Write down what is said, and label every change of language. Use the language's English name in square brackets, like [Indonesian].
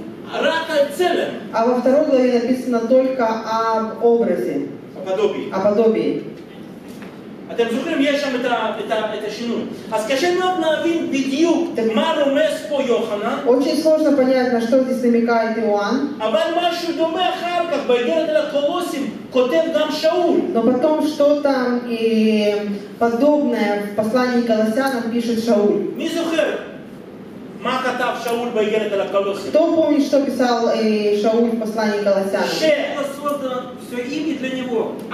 [Russian] А во второй главе написано только об образе. О подобии. О подобии. [Hebrew] אתם זוכרים, יש שם את, ה, את, ה, את השינוי. אז קשה מאוד להבין בדיוק [Russian] так, [Hebrew] מה רומס פה יוחנה. [Russian] Очень сложно понять, на что здесь намекает Иоанн. [Hebrew] אבל משהו דומה אחר כך, בידרת על הקורוסים, כותב גם שאול. [Russian] Но потом что-то и подобное в послании Колоссянам пишет Шауль. [Hebrew] מי זוכר? [Russian] Кто помнит, что писал Шауль в послании Колоссянам? Что создано все имя для него.